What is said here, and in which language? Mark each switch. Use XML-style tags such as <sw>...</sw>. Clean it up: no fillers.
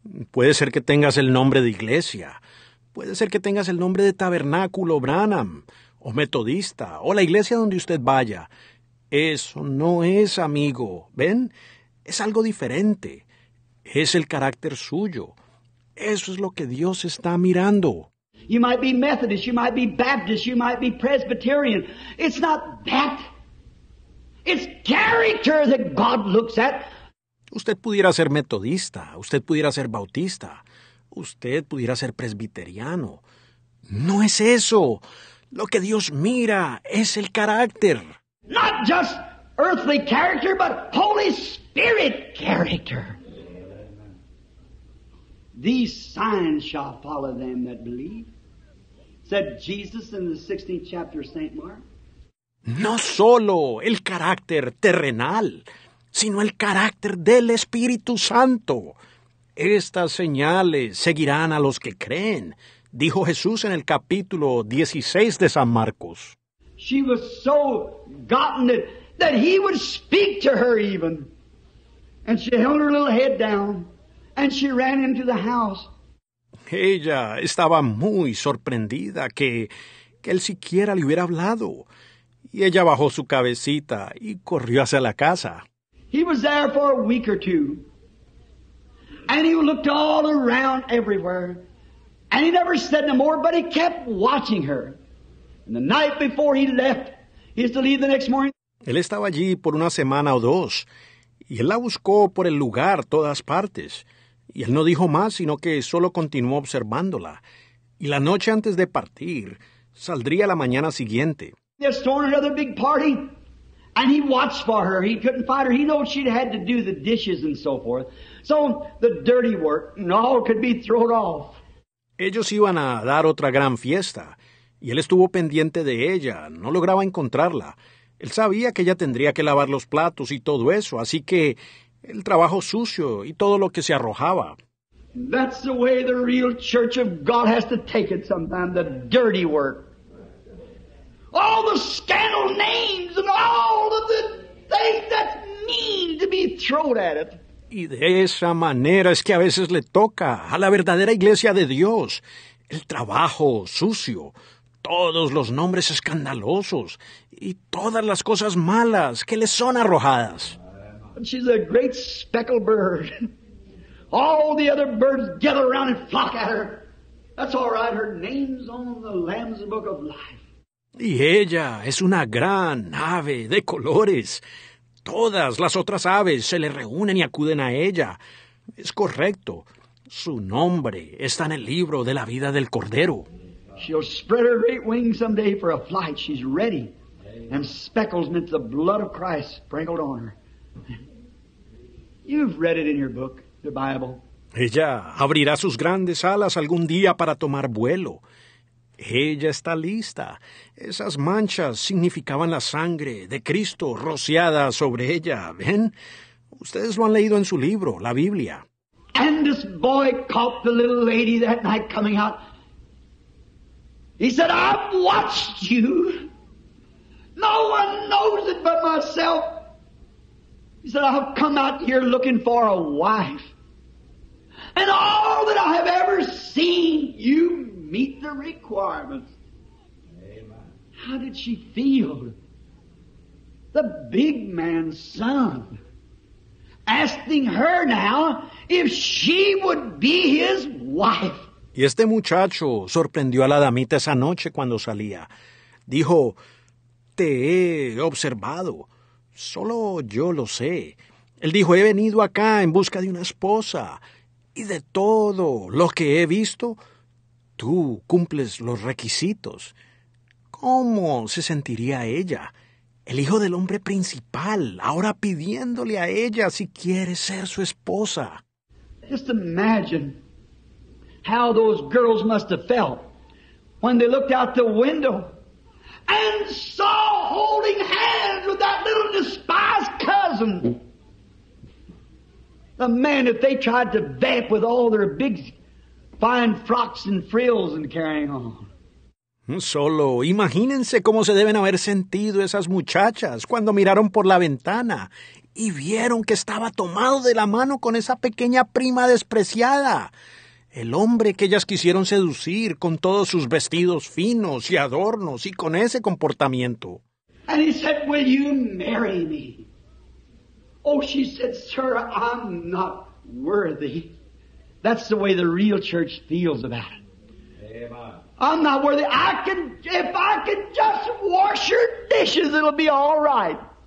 <es>Puede ser que tengas el nombre de iglesia. Puede ser que tengas el nombre de Tabernáculo Branham, o metodista, o la iglesia donde usted vaya. Eso no es, amigo. ¿Ven? Es algo diferente. Es el carácter suyo. Eso es lo que Dios está mirando.</es> <en>You might be Methodist, you might be Baptist, you might be Presbyterian. It's not that. It's character that God looks at.</en> <es>Usted pudiera ser metodista, usted pudiera ser bautista, usted pudiera ser presbiteriano. No es eso. Lo que Dios mira es el carácter.</es> <en>Not just earthly character, but Holy Spirit character. "These signs shall follow them that believe," said Jesus in the 16th chapter of St. Mark.</en> <es>No solo el carácter terrenal, sino el carácter del Espíritu Santo. "Estas señales seguirán a los que creen," dijo Jesús en el capítulo 16 de San Marcos.</es> <en>She was so gotten it that he would speak to her even. And she held her little head down and she ran into the house.</en> <es>Ella estaba muy sorprendida que él siquiera le hubiera hablado. Y ella bajó su cabecita y corrió hacia la casa.</es> <en>He was there for a week or two. And he looked all around everywhere. And he never said no more, but he kept watching her. And the night before he left, he used to leave the next morning.</en> <es>Él estaba allí por una semana o dos. Y él la buscó por el lugar, todas partes. Y él no dijo más, sino que solo continuó observándola. Y la noche antes de partir, saldría la mañana siguiente.</es> <en>He was throwing another big party, and he watched for her. He couldn't find her. He knew she'd had to do the dishes and so forth. So the dirty work and all could be thrown off.</en> <es>Ellos iban a dar otra gran fiesta, y él estuvo pendiente de ella. No lograba encontrarla. Él sabía que ella tendría que lavar los platos y todo eso, así que el trabajo sucio y todo lo que se arrojaba.</es> <en>That's the way the real church of God has to take it sometimes, the dirty work. All the scandal names and all of the things that mean to be thrown at it.</en> <es>Y de esa manera es que a veces le toca a la verdadera iglesia de Dios el trabajo sucio, todos los nombres escandalosos y todas las cosas malas que le son arrojadas.</es> <en>She's a great speckled bird. All the other birds gather around and flock at her. That's all right. Her name's on the Lamb's Book of Life.</en> <es>Y ella es una gran ave de colores. Todas las otras aves se le reúnen y acuden a ella. Es correcto. Su nombre está en el libro de la vida del Cordero.</es> <en>She'll spread her great wings someday for a flight. She's ready. And speckles meant the blood of Christ sprinkled on her. You've read it in your book, the Bible.</en> <es>Ella abrirá sus grandes alas algún día para tomar vuelo. Ella está lista. Esas manchas significaban la sangre de Cristo rociada sobre ella. ¿Ven? Ustedes lo han leído en su libro, la Biblia.</es> <en>And this boy caught the little lady that night coming out. He said, "I've watched you. No one knows it but myself. He said, I've come out here looking for a wife. And all that I have ever seen, you meet the requirements. Amen. How did she feel? The big man's son asking her now if she would be his wife.</en> <es>Y este muchacho sorprendió a la damita esa noche cuando salía. Dijo, te he observado. Solo yo lo sé. Él dijo, he venido acá en busca de una esposa. Y de todo lo que he visto, tú cumples los requisitos. ¿Cómo se sentiría ella? El hijo del hombre principal, ahora pidiéndole a ella si quiere ser su esposa.</es> <en>Just imagine how those girls must have felt when they looked out the window and saw holding hands with that little despised cousin. The man that they tried to vamp with all their big fine frocks and frills and carrying on.</en> <es>Solo imagínense cómo se deben haber sentido esas muchachas cuando miraron por la ventana y vieron que estaba tomado de la mano con esa pequeña prima despreciada, el hombre que ellas quisieron seducir con todos sus vestidos finos y adornos y con ese comportamiento.</es> <en>And he said, will you marry me? Oh, she said, sir, I'm not worthy. That's the way the real church feels about it. Amen. I'm not worthy. If I can just wash your dishes, it'll be all right.</en>